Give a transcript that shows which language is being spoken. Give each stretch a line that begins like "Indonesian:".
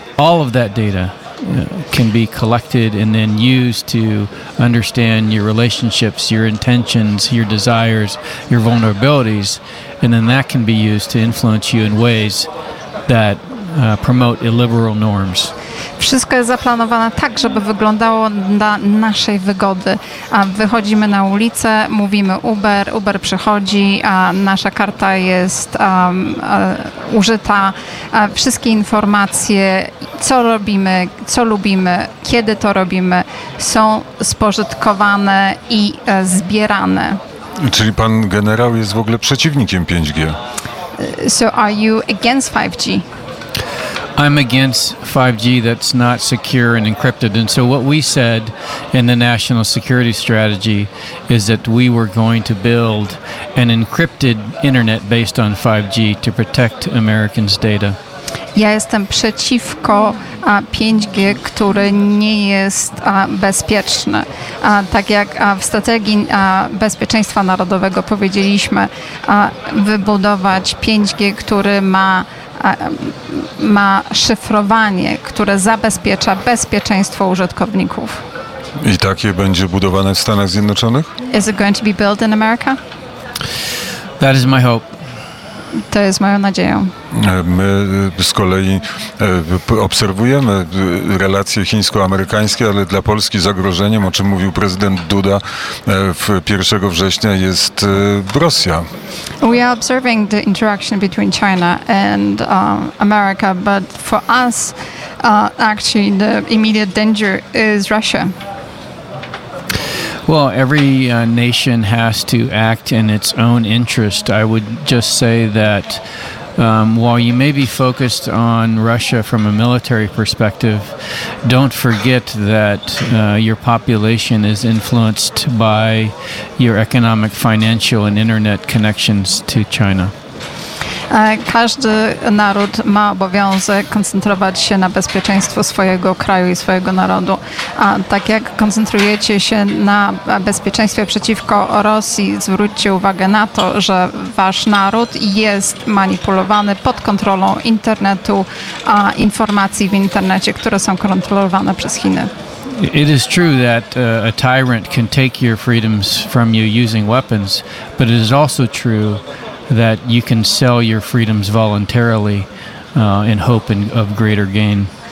English: All of that data can be collected and then used to understand your relationships, your intentions, your desires, your vulnerabilities, and then that can be used to influence you in ways that promote illiberal norms.
Polish: Wszystko jest zaplanowane tak, żeby wyglądało dla naszej wygody. Wychodzimy na ulicę, mówimy Uber przychodzi, a nasza karta jest użyta. Wszystkie informacje, co robimy, co lubimy, kiedy to robimy, są spożytkowane i zbierane. Czyli pan generał jest w ogóle przeciwnikiem 5G?
English: So are you against 5G? I'm against 5G that's not secure and encrypted. And so what we said in the national security strategy is that we were going to build an encrypted internet based on 5G to protect Americans' data.
Polish: Ja jestem przeciwko 5G, który nie jest bezpieczny. Tak jak w strategii bezpieczeństwa narodowego powiedzieliśmy, wybudować 5G, który ma szyfrowanie, które zabezpiecza bezpieczeństwo użytkowników. I takie będzie budowane w Stanach Zjednoczonych?
English: Is it going to be built in America? That is my hope.
Polish: To jest moją nadzieją. My z kolei obserwujemy relacje chińsko-amerykańskie, ale dla Polski zagrożeniem, o czym mówił prezydent Duda, 1 września jest Rosja.
English: We are observing the interaction between China and America, but for us, actually, the immediate danger is Russia. Well, every nation has to act in its own interest. I would just say that while you may be focused on Russia from a military perspective, don't forget that your population is influenced by your economic, financial, and internet connections to China.
Polish: Każdy naród ma obowiązek koncentrować się na bezpieczeństwo swojego kraju i swojego narodu. A tak jak koncentrujecie się na bezpieczeństwie przeciwko Rosji, zwróćcie uwagę na to, że wasz naród jest manipulowany pod kontrolą internetu, a informacji w internecie, które są kontrolowane przez Chiny.
English: It is true that a tyrant can take your freedoms from you using weapons, but it is also true that you can sell your freedoms voluntarily in hope of greater gain.